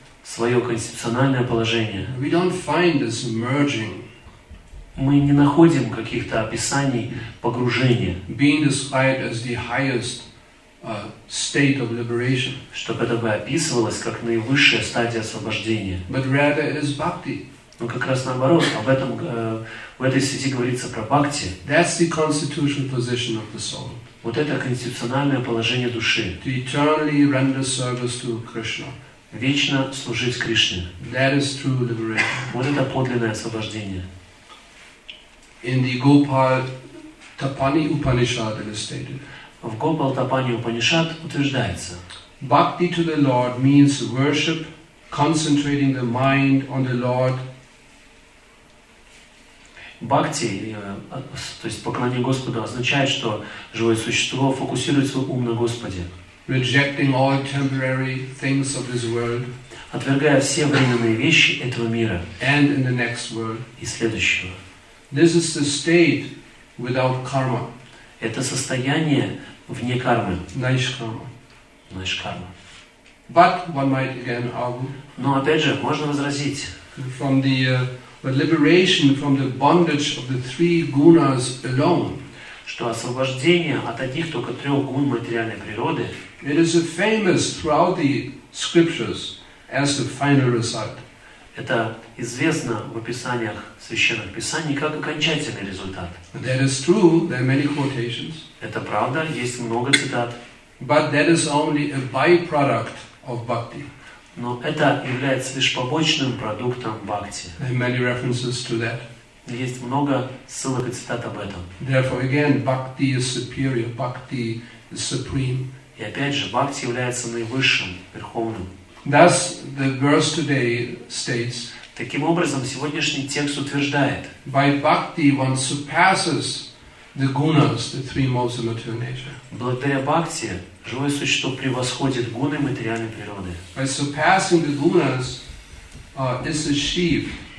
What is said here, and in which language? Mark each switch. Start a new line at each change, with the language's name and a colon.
Russian: Свое конституциональное положение.
English: We don't find this merging.
Russian: Мы не находим каких-то описаний погружения.
English: Being described as the highest state of liberation.
Russian: Чтобы это бы описывалось как наивысшая стадия освобождения.
English: But rather is bhakti.
Russian: Но как раз наоборот, об этом в этой сети говорится про бхакти.
English: That's the constitutional position of the soul.
Russian: Вот это конституциональное положение души.
English: To eternally render service to Krishna.
Russian: Вечно служить Кришне.
English: That is true liberation.
Russian: Вот это подлинное освобождение.
English: In the Gopal Tapani Upanishad it is stated.
Russian: В Гопал-тапани Упанишад утверждается.
English: Bhakti to the Lord means worship, concentrating the mind on the Lord.
Russian: Бхакти, то есть поклонение Господу, означает, что живое существо фокусирует свой ум на Господе.
English: Rejecting all temporary things of this world.
Russian: Отвергая все временные вещи этого мира.
English: And in the next world.
Russian: И следующего.
English: This is the state without karma.
Russian: Это состояние вне кармы.
Sanskrit: Найшкарма. Найшкарма.
English: But one might again argue.
Russian: Но опять же, можно возразить.
English: From the liberation from the bondage of the three gunas alone.
Russian: Что освобождение от одних только трех гун материальной природы.
English: It is famous throughout the scriptures as the final result.
Russian: Это известно в описаниях священных писаний как окончательный результат.
English: That is true. There are many quotations.
Russian: Это правда, есть много цитат.
English: But that is only a byproduct of bhakti.
Russian: Но это является лишь побочным продуктом бхакти.
English: There are many references to that.
Russian: Есть много ссылок и цитат об этом.
English: Therefore, again, bhakti is superior. Bhakti is supreme.
Russian: И опять же, бхакти является наивысшим, верховным.
English: Thus, the verse today states.
Russian: Таким образом, сегодняшний текст утверждает.
English: By bhakti, one surpasses the gunas, the three modes of material nature.
Russian: Благодаря бхакти, живое существо превосходит гуны материальной природы.
English: By surpassing the gunas, is achieved.